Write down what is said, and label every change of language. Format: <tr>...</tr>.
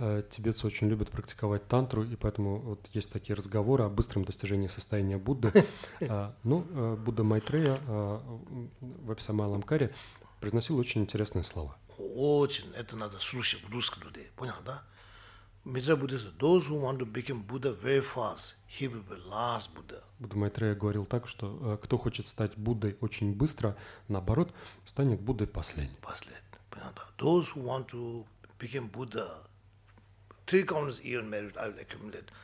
<ru>Тибетцы очень любят практиковать тантру, и поэтому вот есть такие разговоры о быстром достижении состояния Будды. Будда Майтрея в Абхисамаяламкаре произносил очень интересные слова. Очень, это надо слушать в русском люди. Понял, да?</ru> <en>Maitreya Buddha said, those who want to become Buddha very fast, he will be last Buddha.</en> <ru>Будда Майтрея говорил так, что кто хочет стать Буддой очень быстро, наоборот, станет Буддой последним. Последним, понял, да?</ru> <en>Those who want to become Buddha, 3 countless years merit I will accumulate.</en>